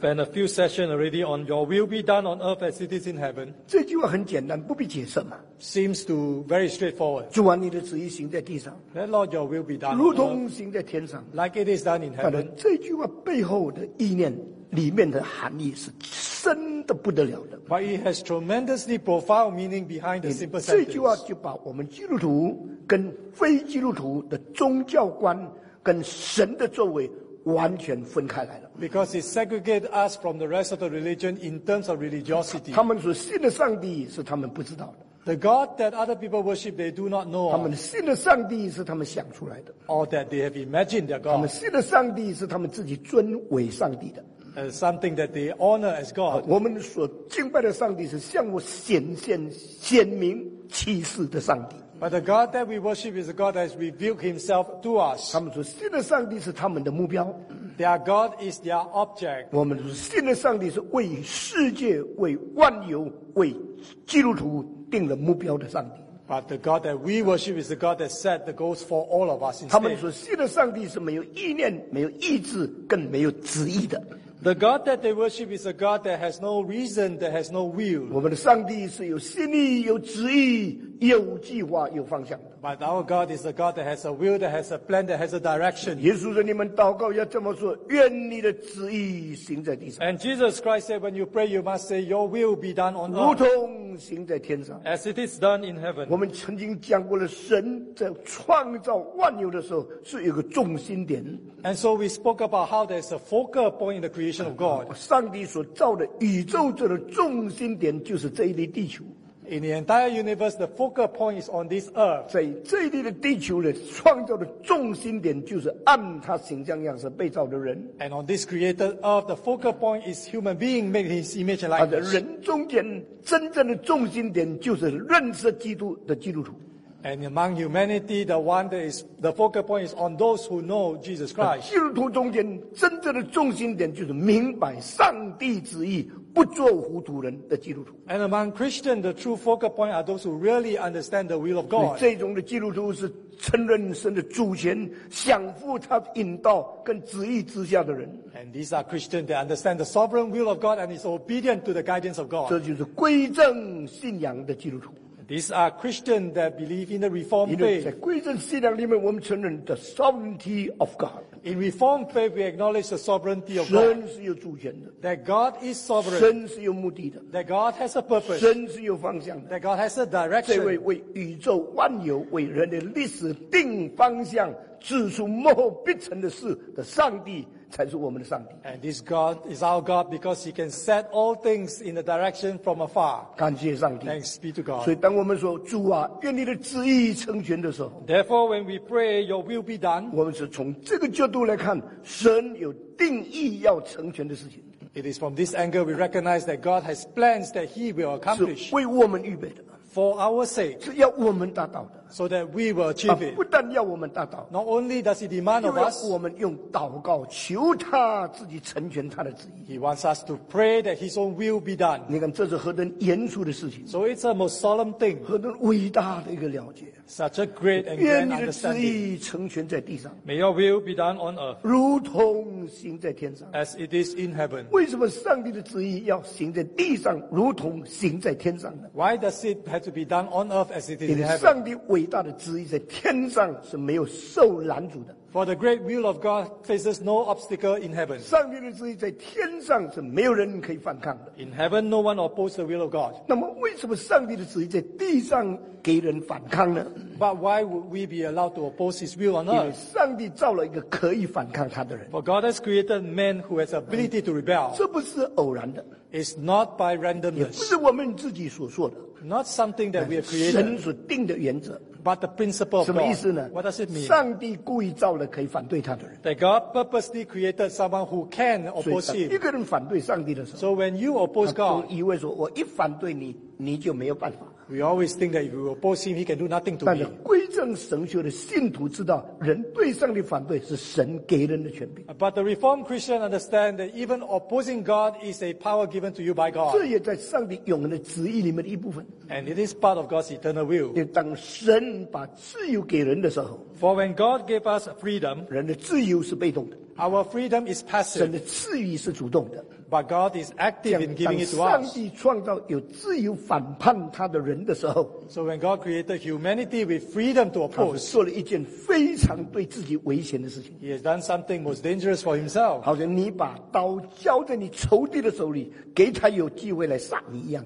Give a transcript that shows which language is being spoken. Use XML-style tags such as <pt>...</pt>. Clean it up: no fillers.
<en>We spent a few sessions already on your will be done on earth as it is in heaven.</en> <zh>这句话很简单，不必解释嘛。</zh> <en>Seems to very straightforward.</en> <zh>主啊，你的旨意行在地上。</zh> <en>Let Lord your will be done.</en> <zh>如同行在天上。</zh> <en>Like it is done in heaven.</en> <zh>这句话背后的意念里面的含义是深的不得了的。</zh> <en>But it has tremendously profound meaning behind the simple sentence.</en> <zh>这句话就把我们基督徒跟非基督徒的宗教观跟神的作为完全分开来了。</zh> <en>Because it segregates us from the rest of the religion in terms of religiosity.</en> <zh>他们所信的上帝是他们不知道的。</zh> <en>The God that other people worship, they do not know.</en> <zh>他们信的上帝是他们想出来的。</zh> <en>Or that they have imagined their God.</en> <zh>他们信的上帝是他们自己尊为上帝的。</zh> <en>Something that they honor as God.</en> <zh>我们所敬拜的上帝是向我显现显明启示的上帝。</zh> <en>But the God that we worship is a God that has revealed himself to us.</en> <zh>他们说信的上帝是他们的目标。</zh> <en>Their God is their object.</en> <zh>我们说信的上帝是为世界、为万有、为基督徒定了目标的上帝。</zh> <en>But the God that we worship is the God that set the goals for all of us instead.</en> <zh>他们说信的上帝是没有意念、没有意志、更没有旨意的。</zh> <en>The God that they worship is a God that has no reason, that has no will.</en> <zh>我们的上帝是有心意、有旨意、有计划、有方向的。</zh> <en>But our God is a God that has a will, that has a plan, that has a direction.</en> <zh>耶稣说：“你们祷告要这么说，愿你的旨意行在地上。”</zh> <en>And Jesus Christ said, when you pray, you must say, "Your will be done on earth."</en> <zh>如同行在天上。</zh> <en>As it is done in heaven.</en> <zh>我们曾经讲过了，神在创造万有的时候是有个中心点。</zh> <en>And so we spoke about how there's a focal point in the creation of God.</en> <zh>上帝所造的宇宙这个中心点就是这一粒地球。</zh> <en>In the entire universe, the focal point is on this earth.</en> <zh>在这一粒的地球的创造的中心点就是按他形象样式被造的人。</zh> <en>And on this created earth, the focal point is human being made in his image and likeness.</en> <zh>人中间真正的中心点就是认识基督的基督徒。</zh> <en>And among humanity, the one that is the focal point is on those who know Jesus Christ.</en> <zh>基督徒中间真正的中心点就是明白上帝旨意。不做糊涂人的基督徒。</zh> <en>And among Christians, the true focal point are those who really understand the will of God.</en> <zh>这种的基督徒是承认神的主权，享负他引导跟旨意之下的人。</zh> <en>And these are Christians that understand the sovereign will of God and is obedient to the guidance of God.</en> <zh>这就是归正信仰的基督徒。</zh> <en>These are Christians that believe in the Reformed faith.</en> <zh>因为在归正信仰里面，我们承认</zh> <en>the sovereignty of God. In Reformed faith, we acknowledge the sovereignty of God.</en> <zh>神是有主权的。</zh> <en>That God is sovereign.</en> <zh>神是有目的的。</zh> <en>That God has a purpose.</en> <zh>神是有方向的。</zh> <en>That God has a direction.</en> <zh>这位为宇宙万有、为人类历史定方向、指出幕后必成的事的上帝。才是我们的上帝。</zh> <en>And this God is our God because He can set all things in the direction from afar.</en> <zh>感谢上帝。</zh> <en>Thanks be to God.</en> <zh>所以当我们说主啊，愿你的旨意成全的时候</zh> <en>，Therefore, when we pray, Your will be done.</en> <zh>我们是从这个角度来看，神有定义要成全的事情。</zh> <en>It is from this angle we recognize that God has plans that He will accomplish.</en> <zh>是为我们预备的。</zh> <en>For our sake,</en> <zh>是要我们达到的。</zh> <en>So that we will achieve it.</en> <zh>不但要我们达到。</zh> <en>Not only does he demand of us.</en> <zh>因为我们用祷告求他自己成全他的旨意。</zh> <en>He wants us to pray that his own will be done.</en> <zh>你看这是何等严肃的事情。</zh> <en>So it's a most solemn thing.</en> <zh>何等伟大的一个了解。</zh> <en>Such a great and grand understanding.</en> <zh>愿你的旨意成全在地上。</zh> <en>May your will be done on earth.</en> <zh>如同行在天上。</zh> <en>As it is in heaven.</en> <zh>为什么上帝的旨意要行在地上如同行在天上呢？</zh> <en>Why does it have to be done on earth as it is in heaven?</en> <zh>上帝伟大的旨意在天上是没有受拦阻的。</zh> <en>For the great will of God faces no obstacle in heaven.</en> <zh>上帝的旨意在天上是没有人可以反抗的。</zh> <en>In heaven, no one opposes the will of God.</en> <zh>那么为什么上帝的旨意在地上给人反抗呢？</zh> <en>But why would we be allowed to oppose His will on earth?</en> <zh>因为上帝造了一个可以反抗他的人。</zh> <en>For God has created man who has ability to rebel.</en> <zh>这不是偶然的。</zh> <en>It's not by randomness.</en> <zh>也不是我们自己所做的。</zh> <en>Not something that we have created.</en> <zh>神所定的原则。</zh> <en>But the principle of God.</en> <zh>什么意思呢？</zh> <en>What does it mean?</en> <zh>上帝故意造了可以反对他的人。</zh> <en>That God purposely created someone who can oppose him.</en> <zh>一个人反对上帝的时候。</zh> <en>So when you oppose God.</en> <zh>他都以为说我一反对你你就没有办法。</zh> <en>We always think that if we oppose him, he can do nothing to me.</en> <zh>但是归正神学的信徒知道人对上帝反对是神给人的权柄。</zh> <en>But the Reformed Christian understand that even opposing God is a power given to you by God.</en> <zh>这也在上帝永恒的旨意里面的一部分。</zh> <en>And it is part of God's eternal will.</en> <zh>当神把自由给人的时候。</zh> <en>For when God gave us freedom,</en> <zh>人的自由是被动的。</zh> <en>Our freedom is passive.</en> <zh>神的赐予是主动的。</zh> <en>But God is active in giving it to us.</en> <zh>当上帝创造有自由反叛他的人的时候，</zh> <en>So when God created humanity with freedom to oppose,</en> <zh>他做了一件非常对自己危险的事情。</zh> <en>He has done something most dangerous for himself.</en> <zh>好像你把刀交在你仇敌的手里，给他有机会来杀你一样。</zh>